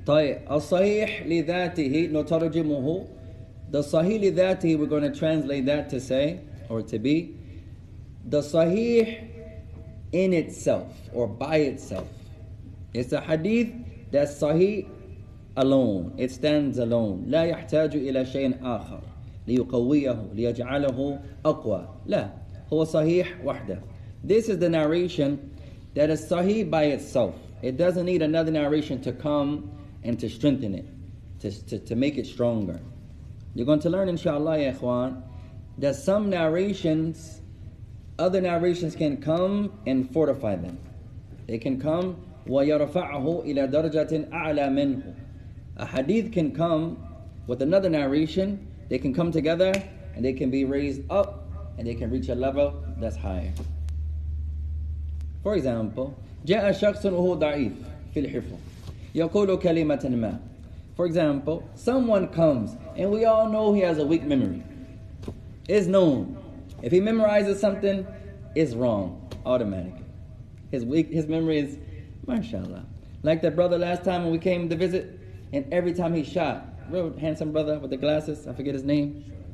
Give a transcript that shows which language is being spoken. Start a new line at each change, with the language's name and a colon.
Arabic: طيب الصحيح لذاته نترجمه.
English: The صحيح لذاته, we're going to translate that to say or to be the صحيح in itself or by itself. It's a hadith that's صحيح alone. It stands alone.
Arabic: لا يحتاج إلى شيء آخر. ليقويه ليجعله أقوى. لا هو صحيح وحده.
English: This is the narration that is sahih by itself. It doesn't need another narration to come and to strengthen it, to make it stronger. You're going to learn, inshallah, ya ikhwan, that some narrations, other narrations can come and fortify them. They can come
Arabic: ويرفعه إلى درجة أعلى منه.
English: A hadith can come with another narration. They can come together and they can be raised up and they can reach a level that's higher. For example,
Arabic: جاء شخص وهو ضعيف في الحفظ يقول كلمة ما.
English: For example, someone comes and we all know he has a weak memory. It's known. If he memorizes something, it's wrong automatically. His memory is, mashallah. Like that brother last time when we came to visit, and every time he shot, real handsome brother with the glasses, I forget his name.